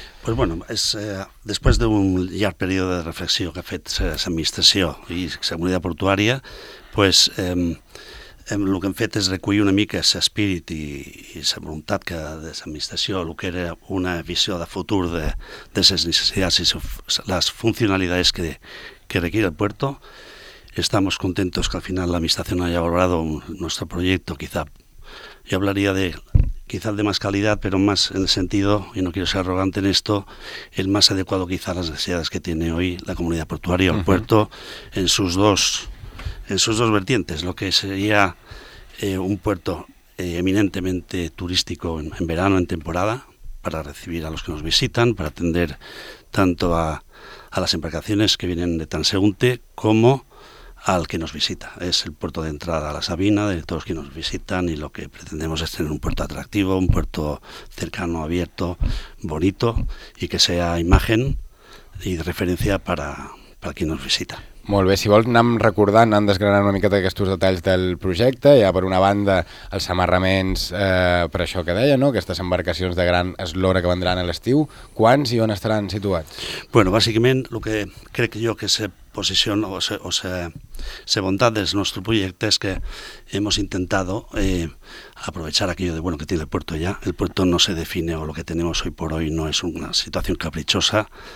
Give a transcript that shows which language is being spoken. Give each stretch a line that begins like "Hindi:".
Catalan: Pues bueno, després d'un llarg període de reflexió que ha fet l'administració i la comunitat portuària, pues, el que hem fet és recollir una mica l'espírit i la voluntat que de l'administració, el que era una visió de futur de les necessitats i les funcionalitats
Spanish: que requiere el puerto. Estamos contentos que al final
Catalan: l'administració
Spanish: haya valorado nuestro proyecto. Quizá yo hablaría de quizá de más calidad, pero más en el sentido, y no quiero ser arrogante en esto, el más adecuado quizá a las necesidades que tiene hoy la comunidad portuaria, el puerto, en sus dos vertientes, lo que sería un puerto eminentemente turístico en verano, en temporada, para recibir a los que nos visitan, para atender tanto a las embarcaciones que vienen de transeúnte como al que nos visita. Es el puerto de entrada a la Savina de todos los que nos visitan, y lo que pretendemos es tener un puerto atractivo, un puerto cercano, abierto, bonito y que sea imagen y referencia para quien nos visita.
Catalan: Molt bé, si vols anem recordant, anem desgranant una miqueta aquests detalls del projecte. Hi ha per una banda els amarraments, per això que deia, no? Aquestes embarcacions de gran eslora que vendran a l'estiu. Quants i on estaran situats? Bueno, bàsicament el que crec jo que se posiciona o se bondat del nostre projecte és que hem intentat
Spanish: aprovechar aquello de bueno que tiene el puerto ya. El puerto no se define, o lo que tenemos hoy por hoy no es una situación caprichosa.